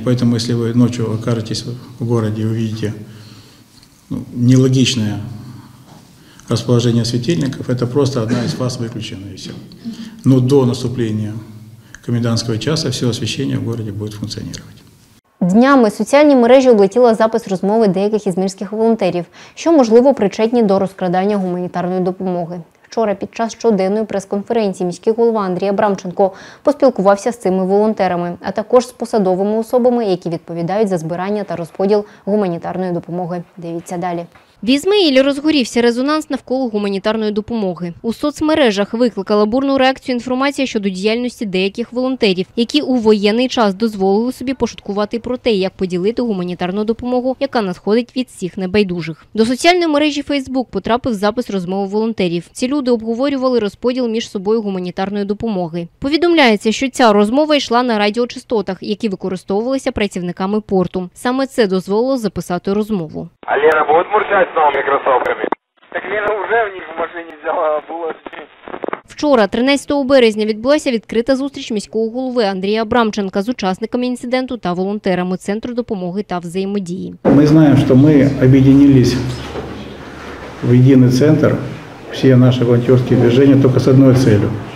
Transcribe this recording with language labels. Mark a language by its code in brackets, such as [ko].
[ru] Поэтому, если вы ночью окажетесь в городе и увидите нелогичное расположение светильников, это просто одна из фаз выключена и все. Но до наступления комендантского часа все освещение в городе будет функционировать. [uk] Днями соціальні мережі облетіла запис розмови деяких ізмирських волонтерів, що, можливо, причетні до розкрадання гуманітарної допомоги. Вчора під час щоденної прес-конференції міський голова Андрій Абрамченко поспілкувався з цими волонтерами, а також з посадовими особами, які відповідають за збирання та розподіл гуманітарної допомоги. Дивіться далі. В Ізмаїлі розгорівся резонанс навколо гуманітарної допомоги. У соцмережах викликала бурну реакцію інформація щодо діяльності деяких волонтерів, які у воєнний час дозволили собі пошуткувати про те, як поділити гуманітарну допомогу, яка надходить від всіх небайдужих. До соціальної мережі Facebook потрапив запис розмови волонтерів. Ці люди обговорювали розподіл між собою гуманітарної допомоги. Повідомляється, що ця розмова йшла на радіочастотах, які використовувалися працівниками порту. Саме це дозволило записати розмову. [ru] Алена, [uk] будь ласка. [ru] С новыми кроссовками. Так Лена уже в них в машине взяла, а было... [uk] Вчора, 13 березня, відбулася відкрита зустріч міського голови Андрія Абрамченка з учасниками інциденту та волонтерами Центру допомоги та взаємодії. Ми знаємо, що ми об'єднулися в єдиний центр, всі наші волонтерські движення, тільки з одною цілею.